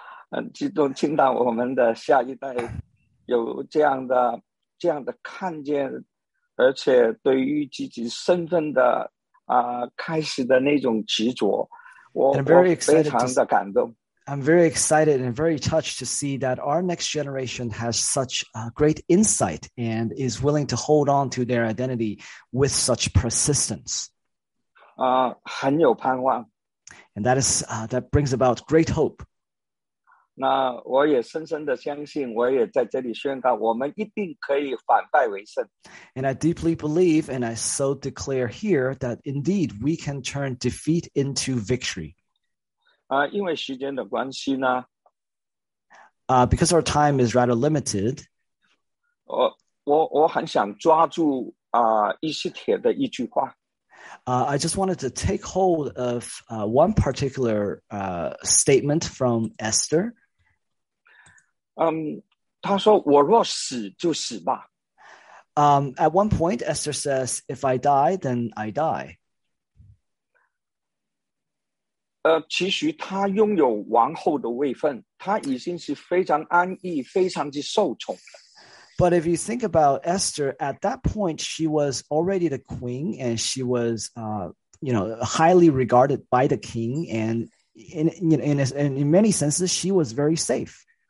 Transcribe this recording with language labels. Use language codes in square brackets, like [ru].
[zh] 很激动，听到我们的下一代有这样的看见，而且对于自己身份的开始的那种执着，我非常的感动。 [en] I'm very excited and very touched to see that our next generation has such a great insight and is willing to hold on to their identity with such persistence. [zh] 很有盼望。 [en] And that is that brings about great hope. [zh] 那我也深深的相信，我也在这里宣告，我们一定可以反败为胜。 [en] And I deeply believe, and I so declare here that indeed we can turn defeat into victory. [zh] 因为时间的关系呢。 [en] Because our time is rather limited. [zh] 我很想抓住以西帖的一句话。 [en] I just wanted to take hold of one particular statement from Esther. [zh] 他说我若死就死吧。 [en] At one point, Esther says, if I die, then I die. [zh] 其实他拥有王后的位分，他已经是非常安逸，非常之受宠。 [en] But if you think about Esther, at that point, she was already the queen, and she was, highly regarded by the king, and in many senses, she was very safe.